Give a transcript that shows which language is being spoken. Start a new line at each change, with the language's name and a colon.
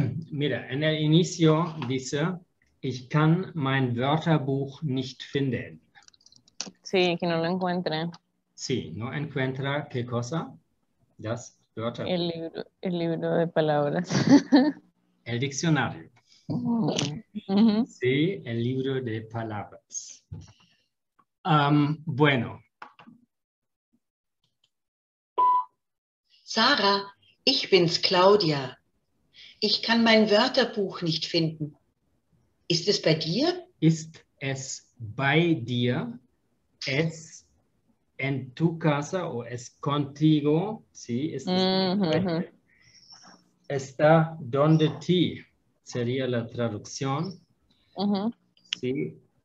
Spanish: Mira, en el inicio dice,
German: ich kann mein Wörterbuch nicht finden.
Spanish: Sí, que no lo encuentre. Sí, no encuentra qué cosa,
German: das Wörterbuch.
Spanish: El libro de palabras. El diccionario. Uh-huh. Sí, el libro de palabras. Bueno.
German: Sarah, ich bin's, Claudia. Ich kann mein Wörterbuch nicht finden. Ist es bei dir? Ist es bei dir?
Spanish: Es en tu casa o es contigo? Sí, es uh-huh. Está donde ti. Sería la traducción. Uh-huh. Sí.